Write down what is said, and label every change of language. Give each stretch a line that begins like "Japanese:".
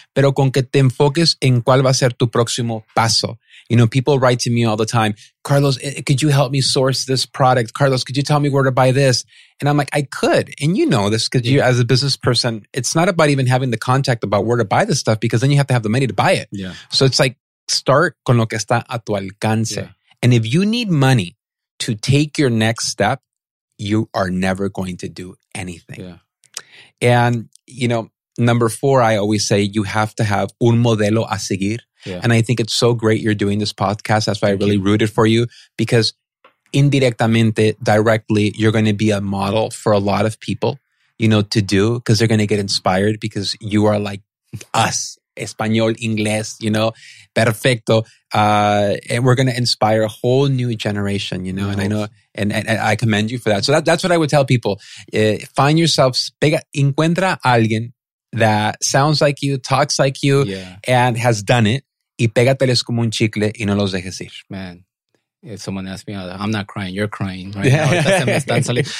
Spanish: Pero con que te enfoques en cuál va a ser tu próximo paso.
English: You know, people write to me all the time, Carlos, could you help me source this product? Carlos, could you tell me where to buy this? And I'm like, I could. And you know this because you, as a business person, it's not about even having the contact about where to buy this stuff because then you have to have the money to buy it. Yeah. So it's like, start
Spanish: con lo que está a tu alcance.
English: Yeah. And if you need money to take your next step, you are never going to do anything. Yeah. And, you know, number four, I always say you have to have
Spanish: un modelo a seguir.
English: Yeah. And I think it's so great you're doing this podcast. That's why I really rooted for you because indirectamente, directly, you're going to be a model for a lot of people, you know, to do because they're going to get inspired because you are like us. Español, inglés, you know, perfecto. And we're going to inspire a whole new generation, you know, and I know, and I commend you for that. So that's what I would tell people. Find yourself,
Spanish: encuentra alguien
English: that sounds like you, talks like you, and has done it.
Spanish: Y pégateles como un chicle y no los dejes ir.
English: Man, if someone asked me, I'm not crying, you're crying right now.